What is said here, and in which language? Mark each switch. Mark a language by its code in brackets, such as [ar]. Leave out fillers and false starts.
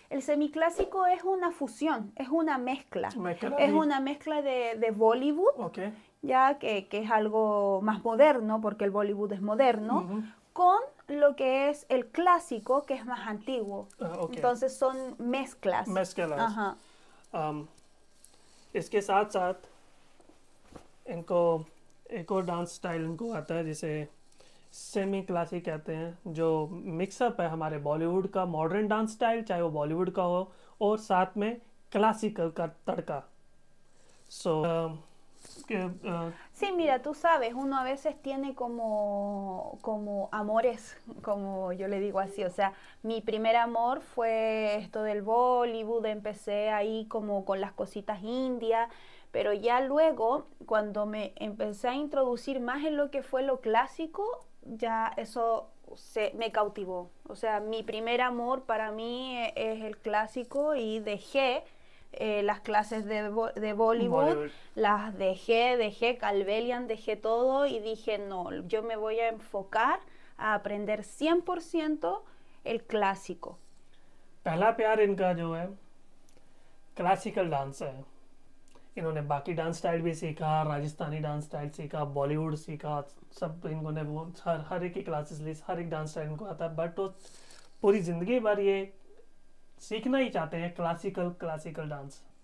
[es] El semiclásico es una fusión, es una mezcla. Me queda Es de. una mezcla de Bollywood, Okay. ya que es algo más moderno, porque el Bollywood es moderno, con lo que es el clásico, que es más antiguo. Okay. Entonces son mezclas. Mezcalas. [hi] इसके साथ साथ इनको एक और dance style इनको आता है जिसे सेमी क्लासिक कहते हैं, जो मिक्सअप है हमारे बॉलीवुड का मॉडर्न डांस स्टाइल, चाहे वो बॉलीवुड का हो, और साथ में क्लासिकल का तड़का. [es] Sí, mira, tú सabes, uno a veces tiene como amores, como yo le digo así. O sea, mi primer amor fue esto del Bollywood, empecé ahí como con las cositas indias, pero ya luego, cuando me empecé a introducir más en lo que fue lo clásico, ya eso me cautivó. O sea, mi primer amor para mí es el clásico y dejé las clases de Bollywood, Bollywood. las dejé Kalvelian, dejé todo y dije, no, yo me voy a enfocar a aprender 100% el clásico. [hi] पहला प्यार इनका जो है classical dance है. इन्होंने बाकी dance style भी सीखा, राजस्थानी डांस स्टाइल सीखा, बॉलीवुड सीखा, सब इनको ने वो हर हर एक ही क्लासेस ली, हर एक डांस स्टाइल इनको आता है. बट वो पूरी जिंदगी भर ये सीखना ही चाहते हैं क्लासिकल क्लासिकल डांस.